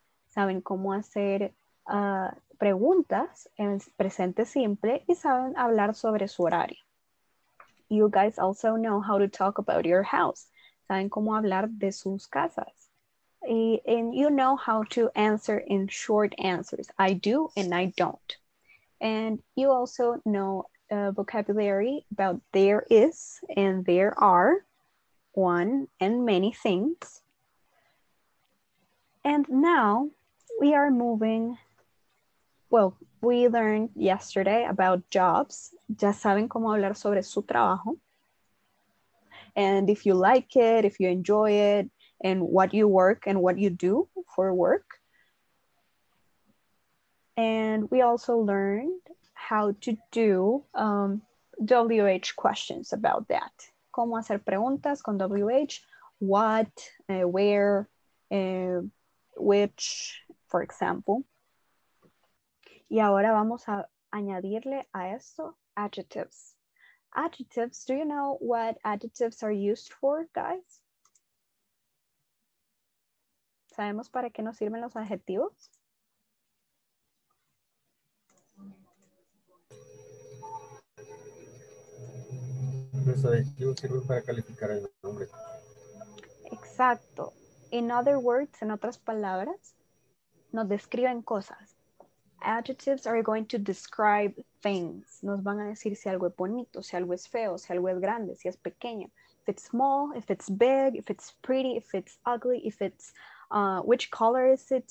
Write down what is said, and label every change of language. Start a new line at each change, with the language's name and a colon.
Spanish: Saben cómo hacer preguntas en presente simple y saben hablar sobre su horario.
English: You guys also know how to talk about your house.
Spanish: Saben cómo hablar de sus casas.
English: And you know how to answer in short answers. I do and I don't. And you also know vocabulary about there is and there are, one and many things. And now we are moving. Well, we learned yesterday about jobs.
Spanish: Ya saben cómo hablar sobre su trabajo.
English: And if you like it, if you enjoy it, and what you work and what you do for work. And we also learned how to do WH questions about that.
Spanish: ¿Cómo hacer preguntas con WH? What, where, which, for example. Y ahora vamos a añadirle a esto adjectives.
English: Adjectives, do you know what adjectives are used for, guys?
Spanish: ¿Sabemos para qué nos sirven los adjetivos? Los adjetivos sirven para calificar el nombre. Exacto.
English: In other words,
Spanish: en otras palabras, nos describen cosas.
English: Adjectives are going to describe things.
Spanish: Nos van a decir si algo es bonito, si algo es feo, si algo es grande, si es pequeño.
English: If it's small, if it's big, if it's pretty, if it's ugly, if it's, which color is it?